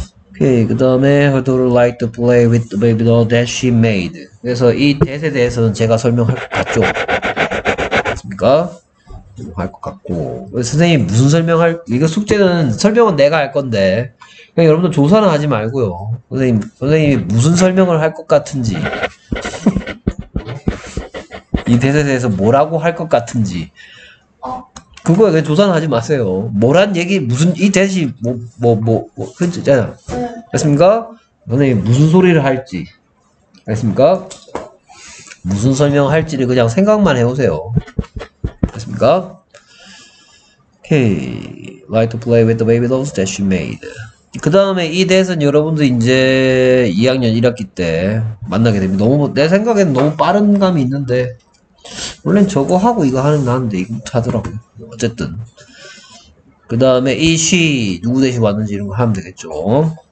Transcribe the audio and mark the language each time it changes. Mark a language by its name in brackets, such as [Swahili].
[Korean] 오케이, 그 다음에 [English] her daughter liked to play with the baby doll that she made. [Korean] 그래서 이 that에 대해서는 제가 설명할 것 같죠? 맞습니까? 할 것 같고 선생님 무슨 설명할... 이거 숙제는 설명은 내가 할 건데 그냥 여러분들 조사는 하지 말고요. 선생님이 무슨 설명을 할 것 같은지 이 that에 대해서 뭐라고 할 것 같은지 그거 그냥 조사는 하지 마세요. 뭐란 얘기 무슨 이 대시 뭐 그랬잖아. 알겠습니까? 너네 무슨 소리를 할지 알겠습니까? 무슨 설명을 할지를 그냥 생각만 해오세요. 알겠습니까? [English] Okay, like to play with the baby dolls that she made. [Korean] 그 다음에 이 대에서는 여러분들 이제 2학년 1학기 때 만나게 됩니다. 너무 내 생각에는 너무 빠른 감이 있는데. 원래 저거 하고 이거 하는 나인데 이거 하더라고. 어쨌든 그 다음에 이 시 누구 대신 왔는지 이런 거 하면 되겠죠.